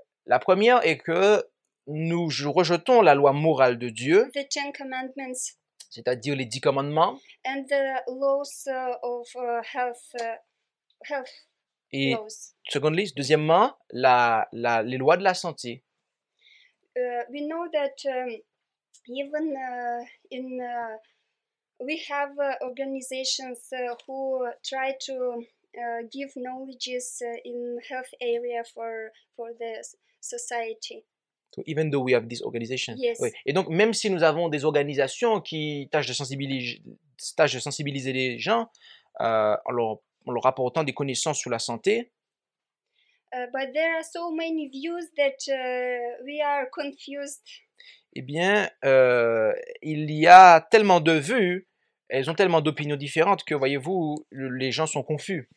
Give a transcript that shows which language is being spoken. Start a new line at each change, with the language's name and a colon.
French: La première est que nous rejetons la loi morale de Dieu.
English: The Ten Commandments.
French: C'est-à-dire les dix commandements.
English: And the laws of health.
French: Et secondly, deuxièmement, les lois de la santé.
English: We know that even in we have organizations who try to give knowledges in health area for the society. So even though we have this organization. Yes. Oui.
French: Et donc même si nous avons des organisations qui tâchent de sensibiliser les gens en leur apportant des connaissances sur la santé.
English: But there are so many views that we are confused.
French: Eh bien, il y a tellement de vues, elles ont tellement d'opinions différentes que, voyez-vous, les gens sont confus.